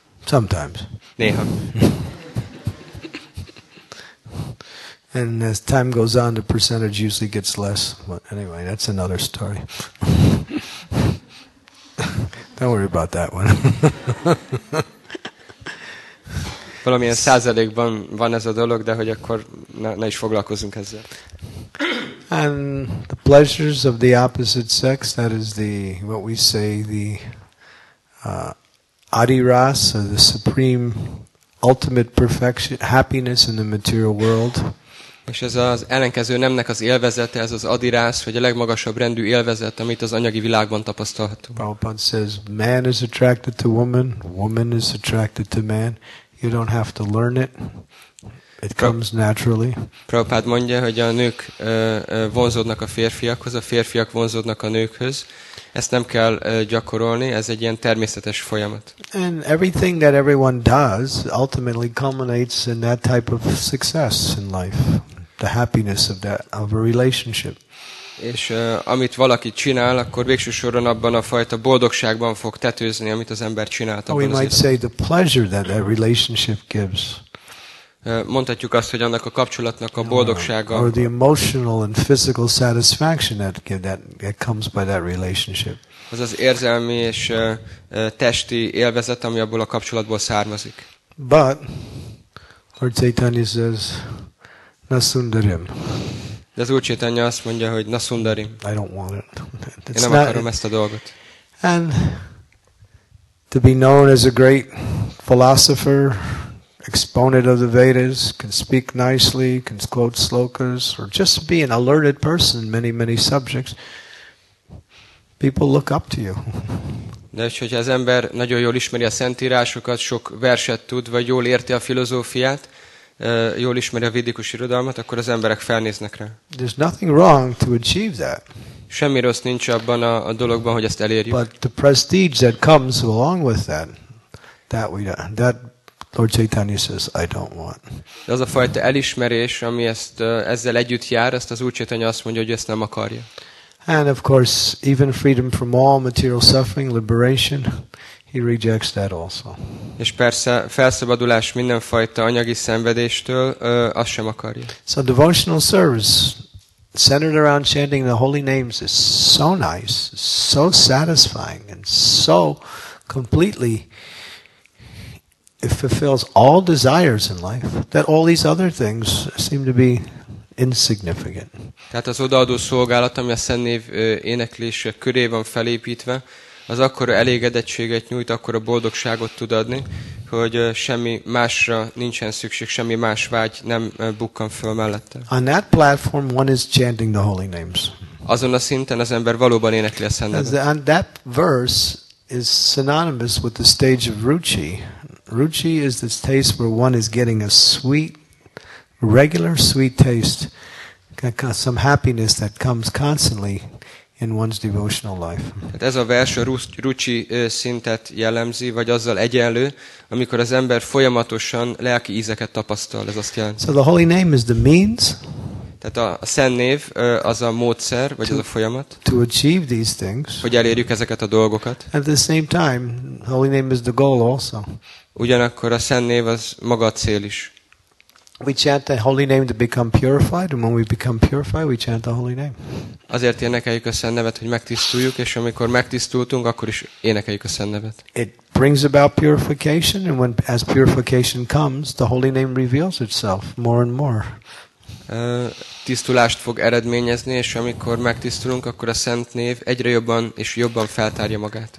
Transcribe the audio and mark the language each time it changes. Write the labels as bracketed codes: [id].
[en] Sometimes. [hu] Néha. [en] And as time goes on, the percentage usually gets less. But anyway, that's another story. Don't worry about that one. [hu] Valamilyen százalékban van ez a dolog, de hogy akkor ne is foglalkozunk ezzel. [en] And the pleasures of the opposite sex, that is the, what we say, the adiras, or the supreme, ultimate perfection, happiness in the material world. [hu] És ez az ellenkező nemnek az élvezete, ez az adirás, vagy a legmagasabb rendű élvezet, amit az anyagi világban tapasztalhatunk. [en] Prabhupada says, man is attracted to woman, woman is attracted to man. You don't have to learn it. It comes naturally. [hu] Prabhupada mondja, hogy a nők vonzódnak a férfiakhoz, a férfiak vonzódnak a nőkhöz. Ezt nem kell gyakorolni, ez egy ilyen természetes folyamat. [en] And everything that everyone does ultimately culminates in that type of success in life, the happiness of that of a relationship. [hu] És amit valaki csinál, akkor végső soron abban a fajta boldogságban fog tetőzni, amit az ember csinált. [en] We might say the pleasure that that relationship gives. [hu] Mondhatjuk azt, hogy annak a kapcsolatnak a boldogsága. [en] Or the emotional and physical satisfaction that comes by that relationship. [hu] Az az érzelmi és testi élvezet, ami abból a kapcsolatból származik. [en] But Lord Caitanya says, na sundarim. [hu] De az Úr Caitanya azt mondja, hogy na sundarim. [en] I don't want it. [hu] Én nem akarom ezt a dolgot. [en] And to be known as a great philosopher, exponent of the Vedas, can speak nicely, can quote slokas, or just be an alerted person in many, many subjects, people look up to you. [hu] De és hogyha az ember nagyon jól ismeri a szentírásokat, sok verset tud, vagy jól érti a filozófiát, jól ismeri a védikus irodalmat, akkor az emberek felnéznek rá. [en] There's nothing wrong to achieve that. [hu] Semmi rossz nincs abban a dologban, hogy ezt elérjük. [en] But the prestige that comes along with that, that Lord Caitanya says, I don't want. [hu] De az a fajta elismerés, ami ezt ezzel együtt jár, ezt az Úr Caitanya azt mondja, hogy ezt nem akarja. [en] And of course, even freedom from all material suffering, liberation, he rejects that also. [hu] És persze felszabadulás mindenfajta anyagi szenvedéstől, azt sem akarja. [en] So devotional service centered around chanting the holy names is so nice, so satisfying, and so completely it fulfills all desires in life that all these other things seem to be insignificant. [hu] Tehát az odaadó szolgálat, ami a Szent Név éneklése köré van felépítve, az akkora elégedettséget nyújt, akkora boldogságot tud adni, hogy semmi másra nincsen szükség, semmi más vágy nem bukkan föl mellette. [en] On that platform one is chanting the holy names. [hu] Azon a szinten az ember valóban énekli a Szent Nevet. [en] And that verse is synonymous with the stage of ruchi. Ruchi is the taste where one is getting a sweet, regular sweet taste, some happiness that comes constantly in one's devotional life. [hu] Tehát ez a vers a ruchi szintet jellemzi, vagy azzal egyenlő, amikor az ember folyamatosan lelki ízeket tapasztal, ez azt jelenti. [en] So the holy name is the means. [hu] Tehát a Szent Név az a módszer, vagy az a folyamat. [en] To achieve these things. [hu] Hogy elérjük ezeket a dolgokat. [en] At the same time, holy name is the goal also. [hu] Ugyanakkor a Szent Név az maga a cél is. [en] We chant the holy name to become purified, and when we become purified, we chant the holy name. [hu] Azért énekeljük a Szent Nevet, hogy megtisztuljuk, és amikor megtisztultunk, akkor is énekeljük a Szent Nevet. [en] It brings about purification, and when as purification comes, the holy name reveals itself more and more. [hu] Tisztulást fog eredményezni, és amikor megtisztulunk, akkor a Szent Név egyre jobban és jobban feltárja magát.